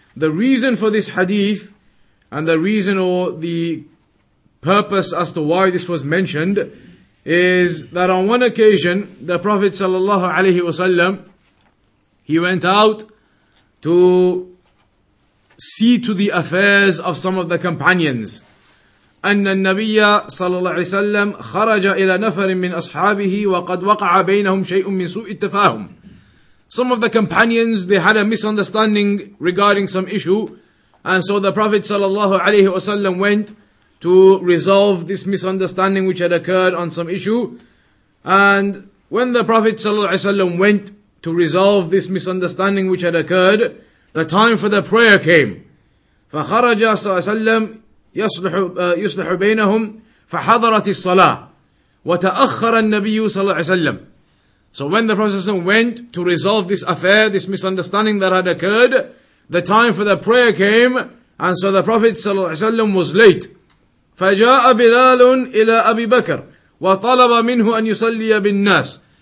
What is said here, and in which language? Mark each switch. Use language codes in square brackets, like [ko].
[en] The reason for this hadith, and the reason or the purpose as to why this was mentioned, is that on one occasion, the Prophet sallallahu alaihi wasallam, he went out to see to the affairs of some of the companions. [ar] أن النبي صلى الله عليه وسلم خرج إلى نفر من أصحابه وقد وقع بينهم شيء من سوء التفاهم. [en] Some of the companions, they had a misunderstanding regarding some issue, and so the Prophet [ar] صلى الله عليه وسلم [en] went to resolve this misunderstanding which had occurred on some issue. And when the Prophet [ar] صلى الله عليه وسلم [en] went to resolve this misunderstanding which had occurred, the time for the prayer came. [ar] فخرج صلى الله عليه وسلم يصلح بينهم فحضرت الصلاة وتأخر النبي صلى الله عليه وسلم. [en] So when the Prophet went to resolve this affair, this misunderstanding that had occurred, the time for the prayer came, and so the Prophet [ar] صلى الله عليه وسلم [en] was late. [ar] فجاء بلال إلى أبي بكر وطلب منه أن يصلي بالناس.